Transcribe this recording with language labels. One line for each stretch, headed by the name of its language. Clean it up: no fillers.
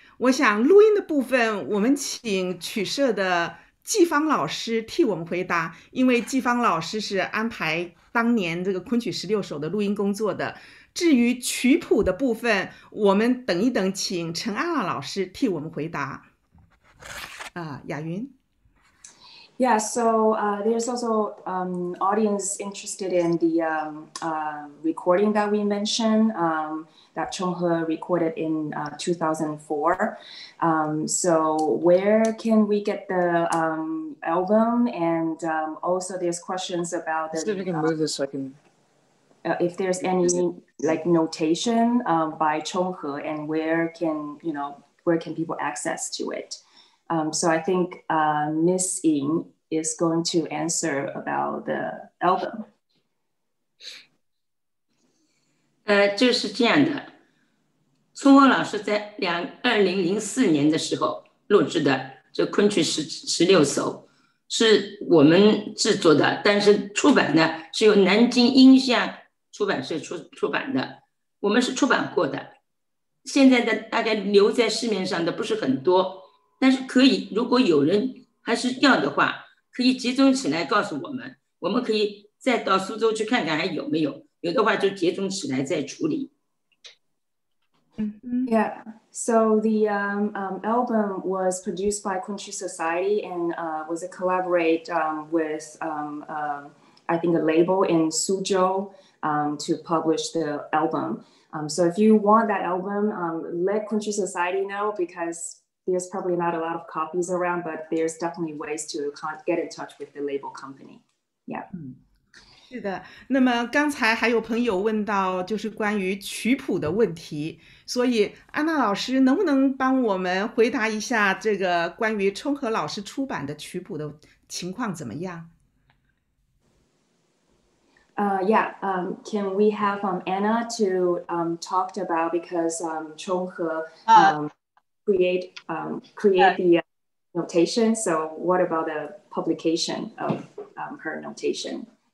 Chinese: 我想录音的部分我们请曲社的季芳老师替我们回答，因为季芳老师是安排当年这个昆曲十六首的录音工作的。至于曲谱的部分，我们等一等请陈安老师替我们回答。雅云。
English: Yeah, so there's also audience interested in the recording that we mentioned, that Chonghe recorded in 2004. So where can we get the album? And also there's questions about the... See if we can move this so I can... If there's any like notation by Chonghe, and where can people access to it? So I think Miss Ying is going to answer about the album.
Chinese: 就是这样的，春花老师在2004年的时候录制的这昆曲16首是我们制作的，但是出版呢是由南京音像出版社 出版的，我们是出版过的。现在的大概留在市面上的不是很多，但是可以，如果有人还是要的话，可以集中起来告诉我们，我们可以再到苏州去看看还有没有，有的话就集中起来再处理。 Mm-hmm.
English: Yeah, so the album was produced by Kunqu Society and was a collaborate with, I think, a label in Suzhou to publish the album. So if you want that album, let Kunqu Society know, because there's probably not a lot of copies around, but there's definitely ways to get in touch with the label company. Yeah. Mm-hmm.
Chinese: 是的，那么刚才还有朋友问到就是关于曲谱的问题，所以安娜老师能不能帮我们回答一下这个关于冲和老师出版的曲谱的情况怎么样？
English: Can we have Anna to talk about, because 冲和create the notation, so what about the publication of her notation?